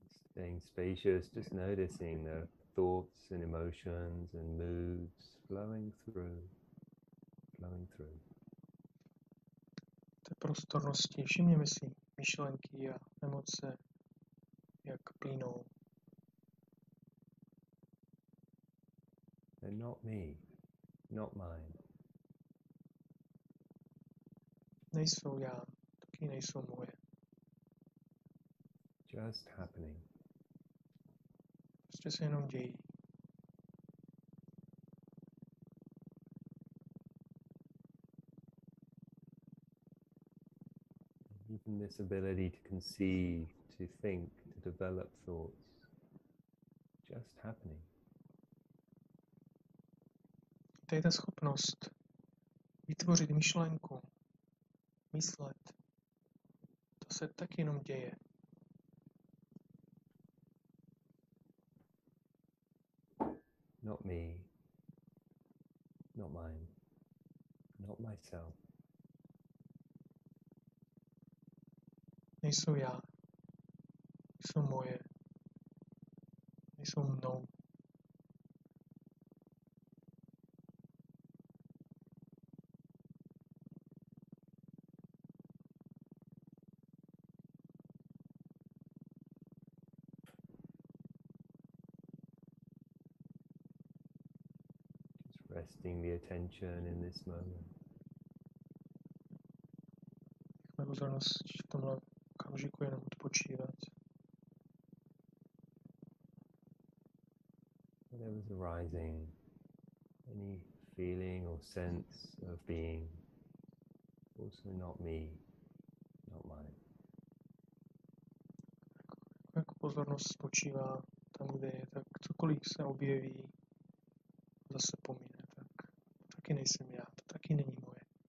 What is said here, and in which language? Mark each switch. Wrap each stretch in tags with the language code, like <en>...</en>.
<en>Staying spacious, just noticing the thoughts and emotions and moods flowing through.</en> <cs>Té prostornosti, všimněme si myšlenky a emoce, jak plynou.</cs> <en>They're not me, not mine.</en> <cs>Nejsou já, taky nejsou moje.</cs> <en>Just happening.</en> <cs>Prostě se jenom dějí.</cs> <en>Even this ability to conceive, to think, to develop thoughts, just happening.</en> <cs>To je ta schopnost vytvořit myšlenku, myslet, to se tak jenom děje.</cs> <en>Not me, not mine, not myself.</en> <cs>Nejsou já, jsou moje, nejsou mnou.</cs> <en>Resting the attention in this moment.</en> <cs>Nechme pozornost v tomhle okamžiku jenom odpočívat.</cs> <en>Whatever's arising, any feeling or sense of being, also not me, not mine.</en> <cs>Jak pozornost spočívá tam, kde je, tak cokoliv se objeví, zase pomíná. Taky nejsem já, to taky není moje.</cs>